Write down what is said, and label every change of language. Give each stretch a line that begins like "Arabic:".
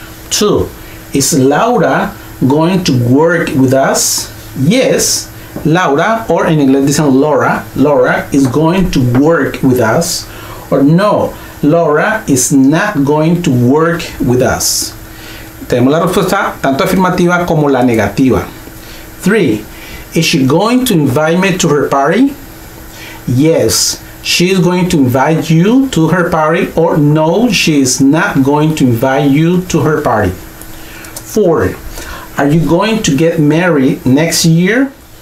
English: Two, is Laura going to work with us? Yes, Laura, or in English, this is Laura. Laura is going to work with us. Or no, Laura is not going to work with us.
Spanish: Tenemos la respuesta tanto afirmativa como la negativa.
English: Three, is she going to invite me to her party? Yes, she is going to invite you to her party. Or no, she is not going to invite you to her party. Four, are you going to get married next year?